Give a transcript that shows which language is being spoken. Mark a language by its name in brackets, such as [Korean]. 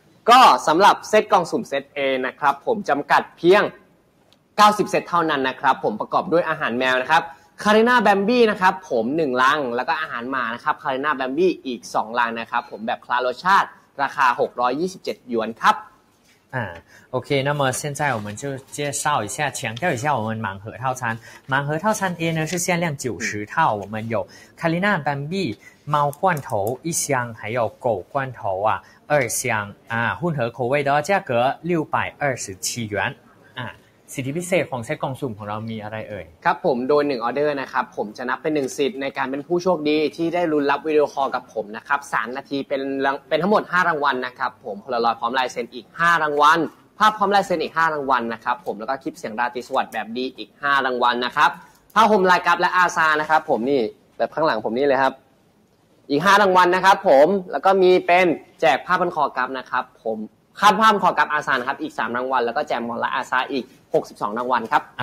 [Thai] ก็สำหรับเซตกล่องสุ่มเซต A นะครับผมจำกัดเพียง90เซตเท่านั้นนะครับผมประกอบด้วยอาหารแมวนะครับคาริน่าแบมบี้นะครับผม1ลังแล้วก็อาหารหมานะครับคาริน่าแบมบี้อีก2ลังนะครับผมแบบคลาโรชาติราคา627หยวนครับ [Chinese] OK, 那么现在我们就介绍一下强调一下我们盲盒套餐。盲盒套餐 A 呢是限量90套我们有 Kalina Bambi, 猫罐头一箱还有狗罐头啊二箱混合口味的价格627元。 [Thai] สิทธิพิเศษของเซตกล่องสุ่มของเรามีอะไรเอ่ย ครับผมโดย1ออเดอร์นะครับผมจะนับเป็น1สิทธิ์ในการเป็นผู้โชคดีที่ได้ลุ้นรับวิดีโอคอลกับผมนะครับ3นาทีเป็นทั้งหมด5รางวัลนะครับผมพลอยพร้อมลายเซ็นอีก5รางวัลภาพพร้อมลายเซ็นอีก5รางวัลนะครับผมแล้วก็คลิปเสียงราตรีสวัสดิ์แบบดีอีก5รางวัลนะครับผ้าห่มลายกัปและอาซานะครับผมนี่แบบข้างหลังผมนี่เลยครับอีก5รางวัลนะครับผมแล้วก็มีเป็นแจกผ้าพันคอกัปนะครับผมคาดภาพคอกัปอาซานะครับอีก3รางวัลแล้วก็แจกมอลและอาซาอีก62รางวัลครับ